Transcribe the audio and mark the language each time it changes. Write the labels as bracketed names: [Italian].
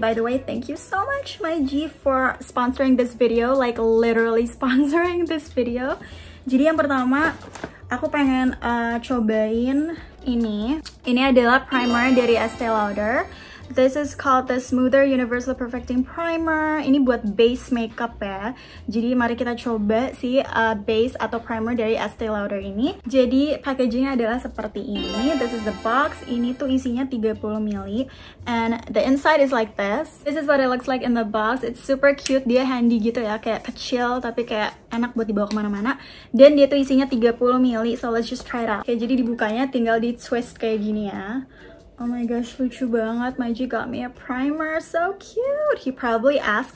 [English] By the way, thank you so much my G for sponsoring this video, like literally sponsoring this video. [Indonesian] Jadi yang pertama aku pengen cobain ini adalah primer dari Estee Lauder. [English] This is called the Smoother Universal Perfecting Primer. [Indonesian] Ini buat base makeup ya. Jadi mari kita coba si base atau primer dari Estee Lauder ini. Jadi packagingnya adalah seperti ini. [English] This is the box. [Indonesian] Ini tuh isinya 30 ml. [English] And the inside is like this. This is what it looks like in the box. It's super cute. [Indonesian] Dia handy gitu ya, kayak kecil tapi kayak enak buat dibawa kemana-mana. Dan dia tuh isinya 30 ml. [English] So let's just try it out. [Indonesian] Oke, jadi dibukanya tinggal di twist kayak gini ya. [English] Oh my gosh, [Indonesian] lucu banget. [English] My G got me a primer. So cute. He probably asked.